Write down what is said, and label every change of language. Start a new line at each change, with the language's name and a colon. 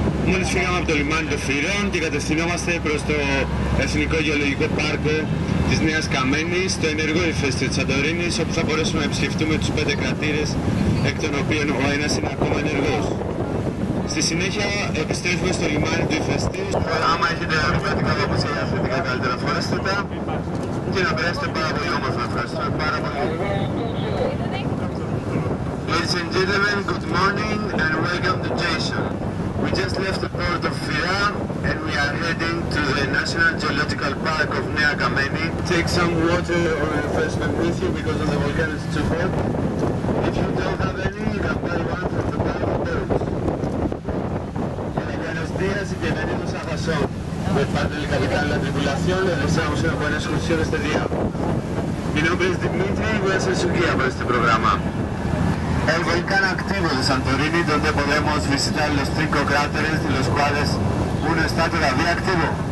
Greek: Μόλις φύγαμε από το λιμάνι των Φυρών και κατευθυνόμαστε προς το Εθνικό Γεωλογικό Πάρκο της Νέας Καμένης, το ενεργό ηφαίστειο της Σαντορίνης, όπου θα μπορέσουμε να επισκεφτούμε τους 5 κρατήρες, εκ των οποίων ο ένας είναι ακόμα ενεργός. Στη συνέχεια επιστρέφουμε στο λιμάνι του ηφαίστειου. Άμα έχετε αρωματικά παπούτσια για αθλητικά, καλύτερα φορέστε τα και να περάσετε πάρα πολύ όμορφα. Ευχαριστούμε πάρα πολύ.
English: Ladies and gentlemen, good morning and welcome to Jason. We just left the port of Fyra and we are heading to the National Geological Park of Nea Kameni. Take some water or refreshment with you because of the volcano is too hot. If you don't have any, you can buy one from the park of boats.
Spanish: Buenos días y bienvenidos a Jason. De parte del capitán de la tripulación, les deseamos una buena excursión este día. Mi nombre es Dimitri y voy a ser su guía para este programa. El volcán activo de Santorini, donde podemos visitar los 5 cráteres, de los cuales uno está todavía activo.